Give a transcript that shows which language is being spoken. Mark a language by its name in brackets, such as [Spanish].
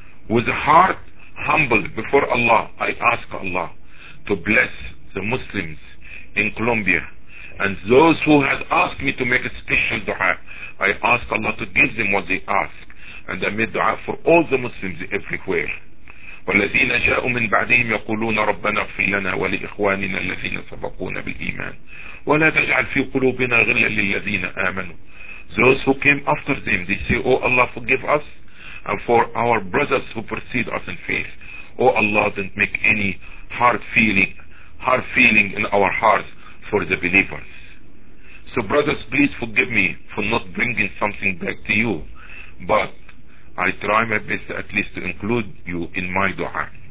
[English] With a heart humble before Allah, I ask Allah to bless the Muslims in Colombia. And those who had asked me to make a special dua, I ask Allah to give them what they ask. And I made dua for all the Muslims everywhere. [Arabic] والذين جاءوا من بعدهم يقولون ربنا اغفر لنا ولإخواننا الذين سبقونا بالإيمان ولا تجعل في قلوبنا غلا للذين آمنوا. [English] Those who came after them, they say, oh Allah, forgive us and for our brothers who precede us in faith. Oh Allah, don't make any hard feeling in our hearts for the believers. So brothers, please forgive me for not bringing something back to you, but I try my best at least to include you in my dua.